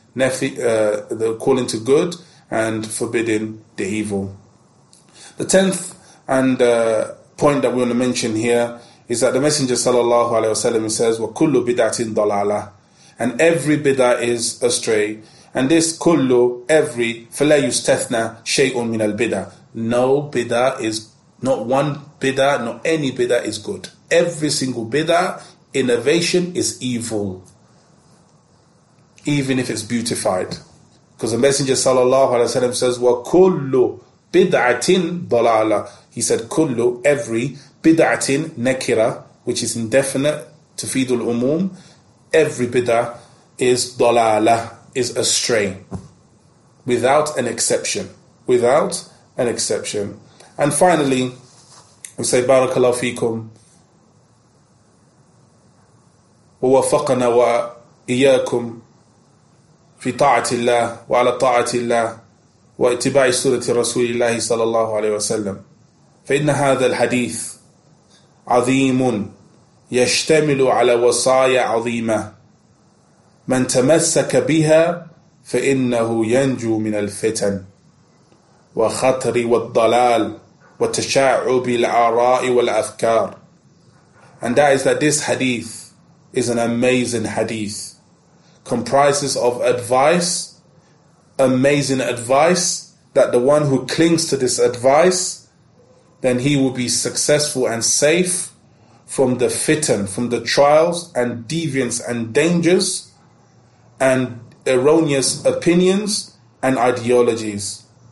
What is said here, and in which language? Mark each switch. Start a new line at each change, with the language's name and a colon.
English: The calling to good and forbidding the evil. The 10th point that we want to mention here is that the Messenger sallallahu alaihi wasallam says,
Arabic: "Wa kullu bid'atin dalala,"
English: and every bid'ah is astray. And this kullu, every,
Arabic: فلا يستثنى شيء من البدّة.
English: No bid'ah is, not one bid'ah, not any bid'ah is good. Every single bid'ah innovation is evil. Even if it's beautified. Because the Messenger sallallahu alaihi wasallam says,
Arabic: "Wa kullu bid'atin dalala."
English: He said, "Kullu, every bid'atin nakira," which is indefinite, tufidul umum, every bid'ah is dalala, is astray, without an exception. Without an exception. And finally, we say,
Arabic: barakallahu fikum, wa wafaqana wa iyyakum في طاعة الله وعلى طاعة الله واتباع سنة رسول الله صلى الله عليه وسلم فإن هذا الحديث عظيم يشتمل على وصايا عظيمة من تمسك بها فإنه ينجو من الفتن وخطر والضلال وتشعب الآراء والأفكار.
English: And that is that this hadith is an amazing hadith, comprises of advice, amazing advice, that the one who clings to this advice, then he will be successful and safe from the fitan, from the trials and deviance and dangers and erroneous opinions and ideologies.